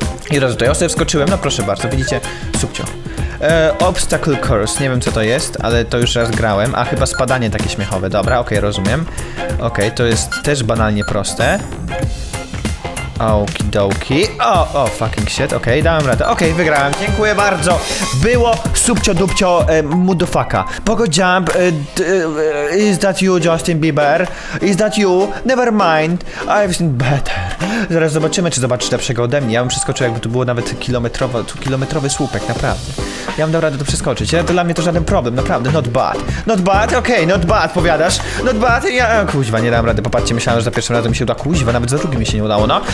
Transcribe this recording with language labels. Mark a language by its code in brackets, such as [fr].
[pl] I teraz tutaj, ja sobie wskoczyłem, no proszę bardzo, widzicie? Subcio. [en] Obstacle course, [pl] nie wiem co to jest, ale to już raz grałem. A chyba spadanie takie śmiechowe, dobra, okej, okay, rozumiem. Okej, okay, to jest też banalnie proste. Okidoki. O, [en] fucking shit, [pl] okej, okay, dałem radę. Okej, okay, wygrałem, dziękuję bardzo. Było subcio dupcio mudofaka. [en] Pogo jump, is that you, Justin Bieber? Is that you? Never mind, I've seen better. [pl] Zaraz zobaczymy, czy zobaczysz lepszego ode mnie. Ja bym przeskoczył, jakby to było nawet kilometrowy słupek, naprawdę. Ja mam dał radę to przeskoczyć, ale to dla mnie to żaden problem, naprawdę, [en] not bad. Not bad, [pl] okej, okay, not bad, powiadasz. Not bad, ja, kuźwa, nie dałem rady, popatrzcie, myślałem, że za pierwszym razem mi się uda, kuźwa, nawet za drugim mi się nie udało, no.